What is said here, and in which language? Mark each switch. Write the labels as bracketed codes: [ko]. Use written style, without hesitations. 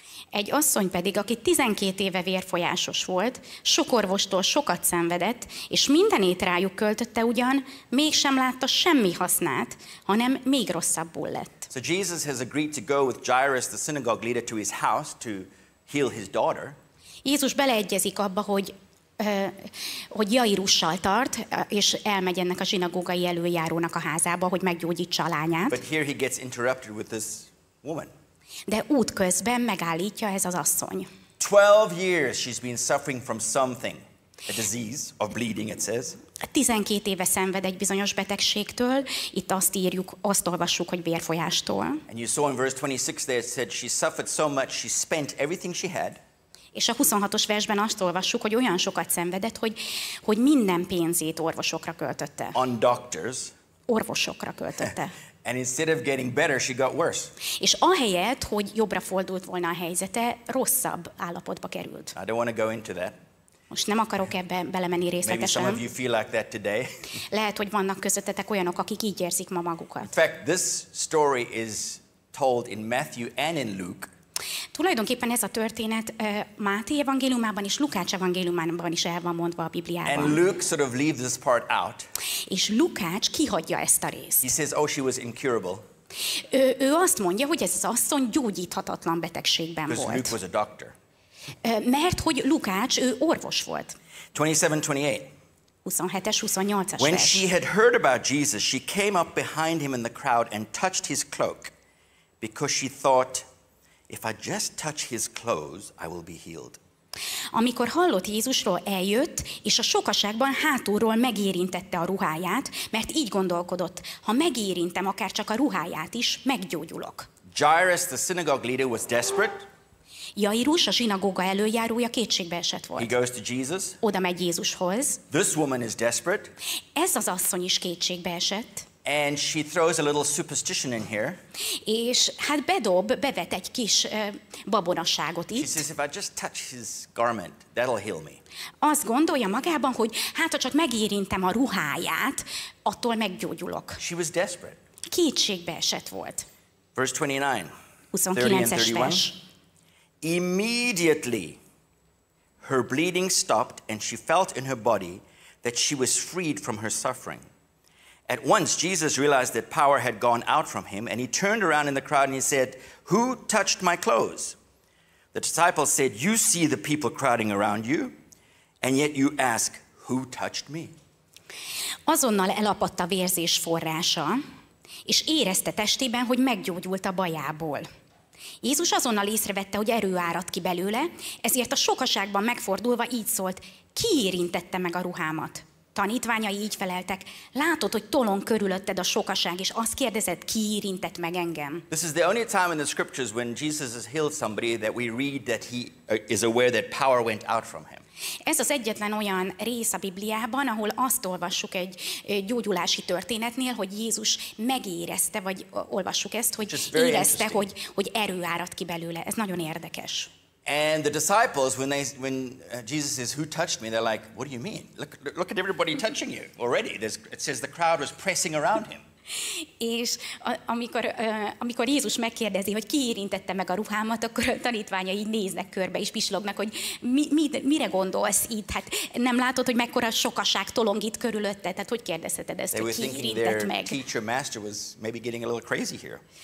[hu] Egy asszony pedig, aki 12 éve vérfolyásos volt, sok orvostól sokat szenvedett, és mindenét rájuk költötte ugyan, mégsem látta semmi hasznát, hanem még rosszabbul lett. [en] So Jesus has agreed to go with Jairus, the synagogue leader, to his house to heal his daughter. [hu] Jézus beleegyezik abba, hogy Jairussal tart, és elmegy ennek a zsinagógai előjárónak a házába, hogy meggyógyítsa a lányát. [en] But here he gets interrupted with this woman. [hu] De útközben megállítja ez az asszony. [en] 12 years she's been suffering from something, a disease of bleeding, it says. [hu] 12 éve szenved egy bizonyos betegségtől, itt azt írjuk, azt olvassuk, hogy vérfolyástól. [en] And you saw in verse 26 there it said she suffered so much she spent everything she had. [hu] És a 26-os versben azt olvassuk, hogy olyan sokat szenvedett, hogy minden pénzét orvosokra költötte. [en] On doctors. [hu] Orvosokra költötte. [en] And instead of getting better, she got worse. [hu] És ahelyett, hogy jobbra fordult volna a helyzete, rosszabb állapotba került. [en] I don't want to go into that. [hu] Most nem akarok ebbe belemenni részletesen. [en] Maybe some of you feel like that today. [hu] Lehet, hogy vannak közöttetek olyanok, akik így érzik ma magukat. [en] In fact, this story is told in Matthew and in Luke. [hu] Tulajdonképpen ez a történet Máté evangéliumában és Lukács evangéliumában is el van mondva a Bibliában. [en] And Luke sort of leaves this part out. [hu] És Lukács kihagyja ezt a részt. [en] He says, "Oh, she was incurable." [hu] Ő azt mondja, hogy ez az asszony gyógyíthatatlan betegségben volt. [en] Because Luke was a doctor. [hu] Mert hogy Lukács, ő orvos volt. [en] 27-28. [hu] 27-28-as [en] When [hu] vers. [en] She had heard about Jesus, she came up behind him in the crowd and touched his cloak, because she thought, "If I just touch his clothes, I will be healed." [hu] Amikor hallott Jézusról, eljött, és a sokaságban hátulról megérintette a ruháját, mert így gondolkodott, ha megérintem akár csak a ruháját is, meggyógyulok. [en] Jairus, the synagogue leader, was desperate. [hu] Jairus, a zsinagóga előjárója kétségbe esett volt. [en] He goes to Jesus. [hu] Oda megy Jézushoz. [en] This woman is desperate. [hu] Ez az asszony is kétségbe esett. [en] And she throws a little superstition in here. [hu] És hát bevet egy kis babonaságot itt. [en] She says, if I just touch his garment, that'll heal me. [hu] Azt gondolja magában, hogy hát ha csak megérintem a ruháját, attól meggyógyulok. [en] She was desperate. [hu] Kétségbe esett volt. [en] Verse 29. 30-31. Immediately her bleeding stopped and she felt in her body that she was freed from her suffering. At once Jesus realized that power had gone out from him, and he turned around in the crowd and he said, "Who touched my clothes?" The disciples said, "You see the people crowding around you, and yet you ask, 'Who touched me?'" [hu] Azonnal elapadt a vérzés forrása, és érezte testében, hogy meggyógyult a bajából. Jézus azonnal észrevette, hogy erő áradt ki belőle, ezért a sokaságban megfordulva így szólt, "Ki érintette meg a ruhámat?" Tanítványai így feleltek, látod, hogy tolon körülötted a sokaság, és azt kérdezed, ki érintett meg engem. [en] This is the only time in the scriptures when Jesus has healed somebody that we read that he is aware that power went out from him. [hu] Ez az egyetlen olyan rész a Bibliában, ahol azt olvassuk egy gyógyulási történetnél, hogy Jézus megérezte, vagy olvassuk ezt, hogy érezte, hogy erő áradt ki belőle. Ez nagyon érdekes. [en] And the disciples, when Jesus says, "Who touched me?" they're like, "What do you mean? Look at everybody touching you already." It says the crowd was pressing around him. [hu] És amikor Jézus megkérdezi, hogy ki érintette meg a ruhámat, akkor a tanítványai így néznek körbe és pislognak, hogy mire gondolsz itt? Hát nem látod, hogy mekkora sokaság tolongít körülötted? Tehát hogy kérdezheted ezt, hogy ki érintett meg? [en] Teacher, master was maybe getting a little crazy here.